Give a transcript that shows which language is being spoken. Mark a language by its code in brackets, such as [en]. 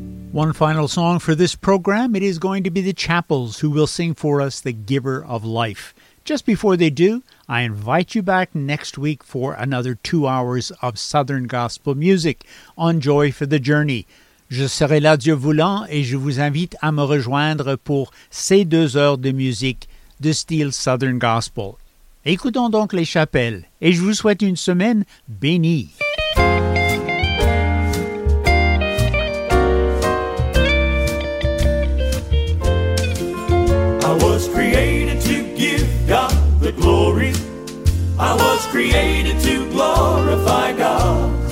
[en] One final song for this program. It is going to be the Chapels, who will sing for us The Giver of Life. Just before they do, I invite you back next week for another 2 hours of Southern Gospel music on Joy for the Journey. [fr] Je serai là, Dieu voulant, et je vous invite à me rejoindre pour ces 2 heures de musique de style Southern Gospel. Écoutons donc les Chapelles, et je vous souhaite une semaine bénie. [en] I was created to give God the glory. I was created to glorify God.